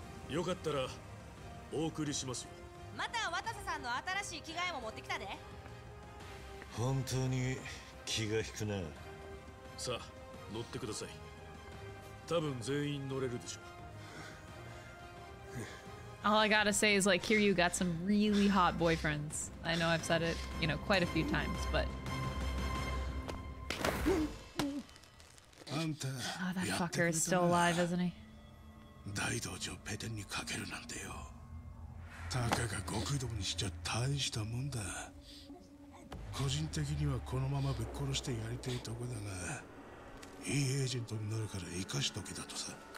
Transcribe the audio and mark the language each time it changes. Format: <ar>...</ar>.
<ja>よかったらお送りしますよ。また渡瀬さんの新しい着替えも持ってきたで。本当に気が引くな。さあ、乗ってください。多分全員乗れるでしょう。</ja> <en>All I gotta say is like Kiryu got some really hot boyfriends. I know I've said it, you know, quite a few times, but</en> <ja>あんた</ja> <en>Oh, that fucker is still alive, isn't he?</en> <ja>大道場ペテンにかけるなんてよ。たかが極道にしちゃ大したもんだ。個人的にはこのままぶっ殺してやりたいとこだが、いいエージェントになるから生かしとけだとさ。</ja>